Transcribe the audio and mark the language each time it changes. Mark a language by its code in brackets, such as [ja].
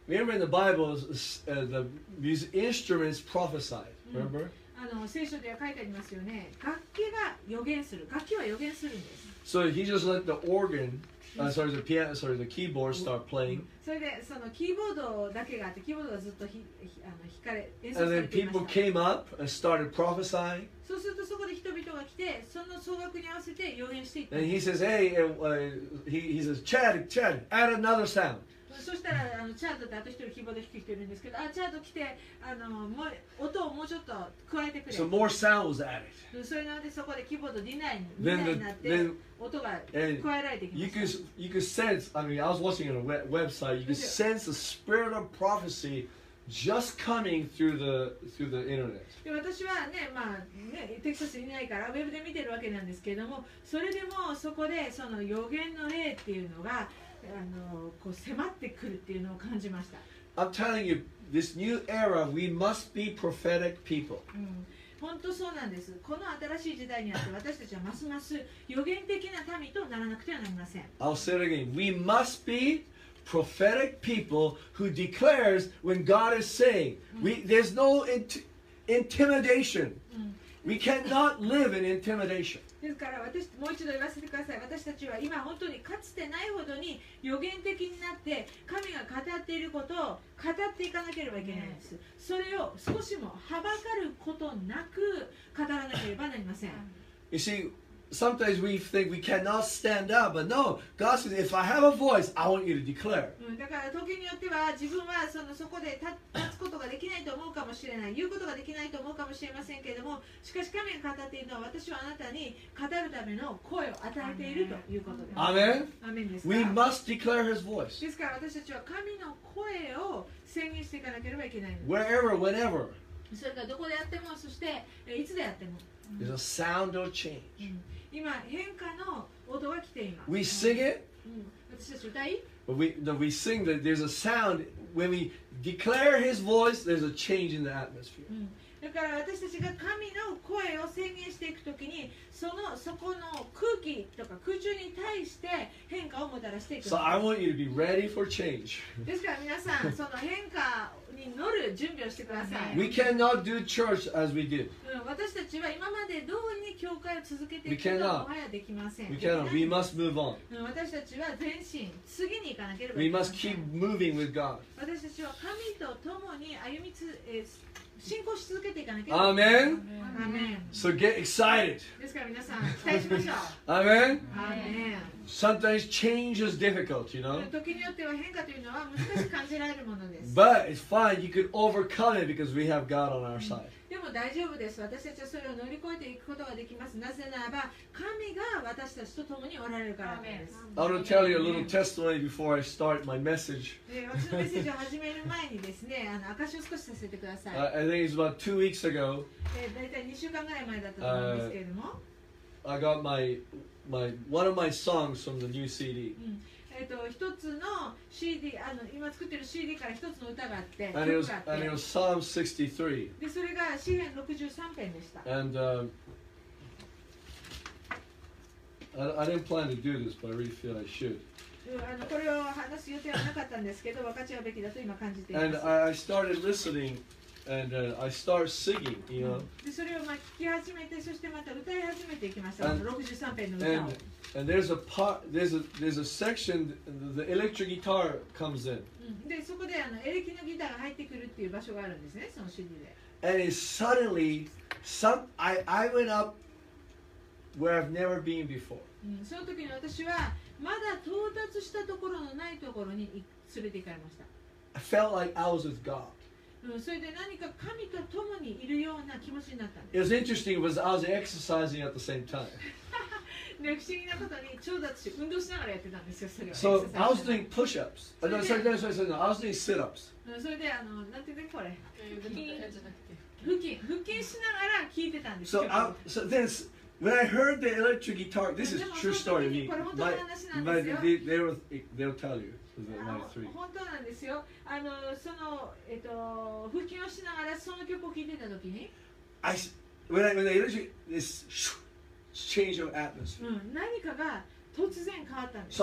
[en] Remember in the Bible, the music instruments prophesied. Remember? [ja] 聖書では書いてありますよね。楽器が予言する。楽器は予言するんです。 [en] So he just let the organ, the piano, the keyboard start playing. [ja] それでそのキーボードだけがあって、キーボードがずっと弾かれ、演奏されていました [en] 。And then people came up and started prophesying. [ja] そうするとそこで人々が来て、その総額に合わせて予言していった。 [en] And he says, hey, he says, Chad, Chad, add another sound. [ja] そしたらチャードってあと一人キーボード弾く人いるんですけど、あ、チャード来て、もう音をもうちょっと加えてくれ。 [en] So more sound was added. [ja] それなのでそこでキーボード2台になって、音が加えられてきました。 [en] I was watching on a website, you could sense the spirit of prophecy. Just coming through the internet. [ja] 私はね、テキサスにいないからウェブで見てるわけなんですけれども、それでもそこでその予言の霊っていうのがこう迫ってくるっていうのを感じました。 [en] I'm telling you, this new era, we must be prophetic people. [ja] 本当そうなんです。この新しい時代にあって私たちはますます予言的な民とならなくてはなりません。 [en] I'll say it again. We must beProphetic people who declares when God is saying, there's no intimidation. We cannot live in intimidation. [ja] ですから私もう一度言わせてください。私たちは今本当にかつてないほどに予言的になって神が語っていることを語っていかなければいけないんです。それを少しもはばかることなく語らなければなりません。 [en] You see,Sometimes we think we cannot stand up, but no, God says, if I have a voice, I want you to declare. [ja] だから時によっては自分はそこで立つことができないと思うかもしれない、言うことができないと思うかもしれませんけれども、しかし神が語っているのは私はあなたに語るための声を与えているということです。アメン。アメンですか。 [en] We must declare His voice. [ja] ですから私たちは神の声を宣言していかなければいけないんです。 [en] Wherever, whenever. [ja] それからどこでやっても、そしていつでやっても。 [en] There's a sound of change. [ja] 今変化の音が来ています。 [en] We sing it. [ja] 私たち歌い。 [en] But we sing that there's a sound when we declare His voice. There's a change in the atmosphere. [ja] だから私たちが神の声を宣言していくときに、そこの空気とか空中に対して変化をもたらしていく。 [en] So I want you to be ready for change. [ja] ですから皆さん、その変化に乗る準備をしてください。 [en] We cannot do church as we did. [ja] 私たちは今まで通りに教会を続けていくことはもはやできません。 [en] We cannot. We must move on. [ja] 私たちは前進、次に行かなければいけません。 [en] We must keep moving with God. [ja] 私たちは神と共に歩み進行し続けていかなければ [en] 。 Amen. Amen. So get excited. [ja] ですから皆さん期待しましょう。 [en] Amen. Amen. Sometimes change is difficult, you know. [ja] 時によっては変化というのは難しく感じられるものです。 [en] But it's fine. You could overcome it because we have God on our side. [ja] でも大丈夫です。私たちはそれを乗り越えていくことができます。なぜならば神が私たちと共におられるからです。 [en] I want to tell you a little testimony before I start my message. [ja] 私のメッセージを始める前にですね、証しを少しさせてください。 [en] I think it's about 2 weeks ago. [ja] 大体2週間ぐらい前だったと思うんですけれども。 [en] I got my one of my songs from the new CD. [ja] 一つの CD、今作ってる CD から一つの歌があって、 [en] and it was, [ja] 曲があって。 [en] And it was Psalm 63. [ja] で、それが詩編63編でした。 [en] And, I didn't plan to do this, but I really feel I should. [ja] これを話す予定はなかったんですけど、分かち合うべきだと今感じています。 [en] And I started listening. And I start singing, you know. [ja] でそれをまあ聞き始めて、そしてまた歌い始めていきました。 63編の歌を。 [en] And there's a part, there's a section the electric guitar comes in. [ja] でそこでエレキのギターが入ってくるっていう場所があるんですね、その CD で。 [en] And it suddenly, I went up where I've never been before. [ja] その時に私はまだ到達したところのないところに連れて行かれました。 [en] I felt like I was with God. [ja] それで何か神と共にいるような気持ちになったんです。 [en] It was interesting because I was exercising at the same time. [ja] 不思議なことに、ちょうど私、運動しながらやってたんですよ、それは。 [en] So I was doing push-ups. No, sorry, no, sorry, no. I was doing sit-ups. [ja] それで、なんていうんだっけ、これ。腹筋しながら聞いてたんですよ。 [en] So then, when I heard the electric guitar, this is true story. [ja] でも、その時にこれ本当の話なんですよ。 [en] They'll tell you. [ja] 本当なんですよ。腹筋をしながらその曲を聴いてたときに、何かが突然変わったんです。